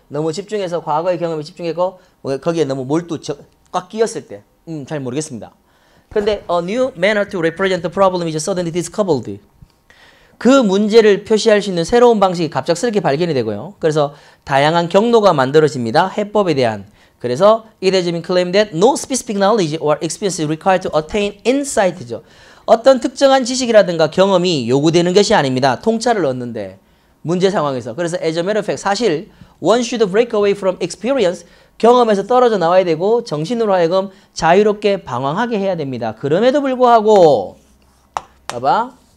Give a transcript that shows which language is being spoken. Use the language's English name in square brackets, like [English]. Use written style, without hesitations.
[Korean] 너무 집중해서 과거의 경험에 집중했고 거기에 너무 몰두 꽉 끼었을 때. 잘 모르겠습니다. 근데 [English] a new manner to represent the problem is suddenly discovered. [Korean] 그 문제를 표시할 수 있는 새로운 방식이 갑작스럽게 발견이 되고요. 그래서 다양한 경로가 만들어집니다. 해법에 대한. [English] 그래서 it has been claimed that no specific knowledge or experience is required to attain insight죠. [Korean] 어떤 특정한 지식이라든가 경험이 요구되는 것이 아닙니다. 통찰을 얻는데 문제 상황에서. [English] 그래서 as a matter of fact, 사실 one should break away from experience. [Korean] 경험에서 떨어져 나와야 되고 정신으로 하여금 자유롭게 방황하게 해야 됩니다. 그럼에도 불구하고 봐봐.